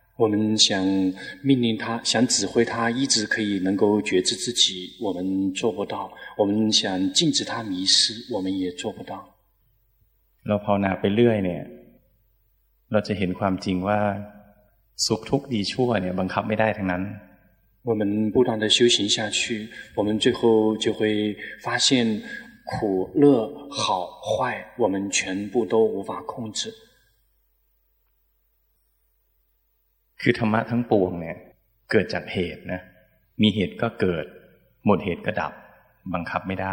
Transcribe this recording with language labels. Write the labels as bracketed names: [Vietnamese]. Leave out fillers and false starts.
[Chinese] 我们想命令他想指挥他一直可以能够觉知自己我们做不到我们想禁止他迷失我们也做不到 [Thai] เราภาวนาไปเรื่อยเนี่ยเราจะเห็นความจริงว่าสุขทุกข์ดีชั่วเนี่ยบังคับไม่ได้ทั้งนั้น [Chinese] 我们不断的修行下去我们最后就会发现苦乐好坏我们全部都无法控制 [Thai] คือธรรมะทั้งปวงเนี่ยเกิดจากเหตุนะมีเหตุก็เกิดหมดเหตุก็ดับบังคับไม่ได